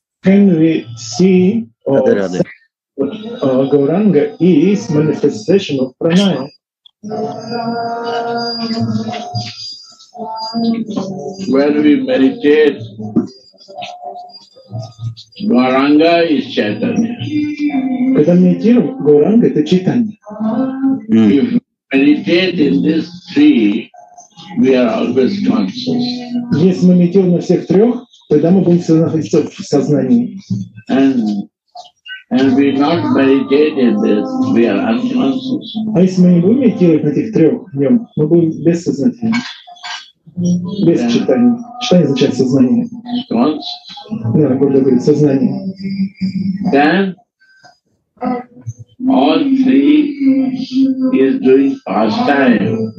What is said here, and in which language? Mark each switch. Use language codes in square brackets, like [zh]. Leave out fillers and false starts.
[en] Can we see Гауранга is manifestation of pranaya? When we meditate, Gauranga is Chaitanya. [ru] Когда медитируем, Гауранга это Чайтанья. [en] If we meditate in this three, we are always conscious. [ru] Если мы медитируем на всех трех, тогда мы будем всегда находиться в сознании. [en] And we not meditate in this, we are unconscious. [ru] А если мы не будем медитировать на этих трех днем, мы будем бессознательны. Без читания. Что означает сознание? [en] Conscious. [ru] Да, Гурдев говорит, сознание. [en] Then all three is doing pastime.